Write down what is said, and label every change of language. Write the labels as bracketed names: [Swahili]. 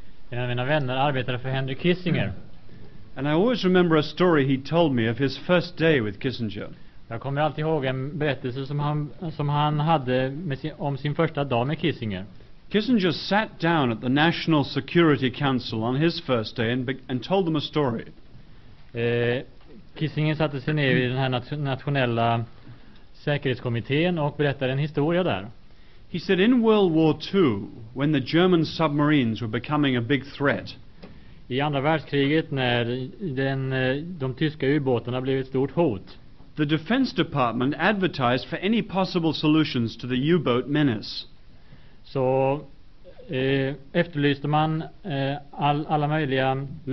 [Swedish] En av mina vänner arbetade för Henry Kissinger. [English] And I always remember a story he told me of his first day with Kissinger. [Swedish] Jag kommer alltid ihåg en berättelse som han hade om sin första dag med Kissinger. [English] Kissinger sat down at the National Security Council on his first day and told them a story. [Swedish] Kissinger satte sig ner i den här nationella säkerhetskommittén och berättade en historia där. [English] He said in World War II, when the German submarines were becoming a big threat. [Swedish] I andra världskriget när de tyska ubåtarna blev ett stort hot. [English] The Defense Department advertised for any possible solutions to the U-boat menace. [Swedish] Så efterlyste man alla möjliga